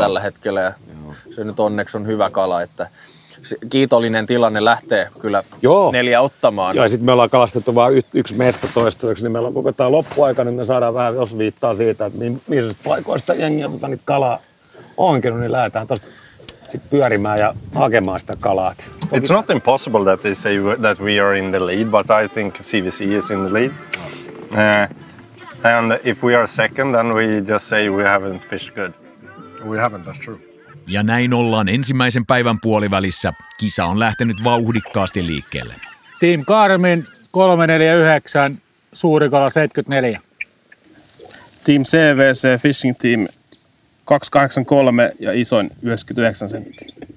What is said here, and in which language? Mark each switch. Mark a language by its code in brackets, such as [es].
[fi] Tällä hetkellä ja se nyt onneksi on hyvä kala, että kiitollinen tilanne lähtee kyllä. Joo. 4 ottamaan. Joo, ja sitten me ollaan kalastettu vain yksi mesta toistaiseksi, niin meillä on koko tämä loppuaika, niin me saadaan vähän osviittaa siitä, että missä paikoista jengiä, mutta niitä kalaa onkin, niin lähdetään tuosta sitten pyörimään ja hakemaan sitä kalaa. [en] It's not impossible that they say that we are in the lead, but I think CVC is in the lead. And if we are second, then we just say we haven't fished good. We haven't, that's true. [fi] Ja näin ollaan ensimmäisen päivän puolivälissä. Kisa on lähtenyt vauhdikkaasti liikkeelle. Team Garmin 349, suurikala 74. Team CVC Fishing Team 283 ja isoin 99 senttiä.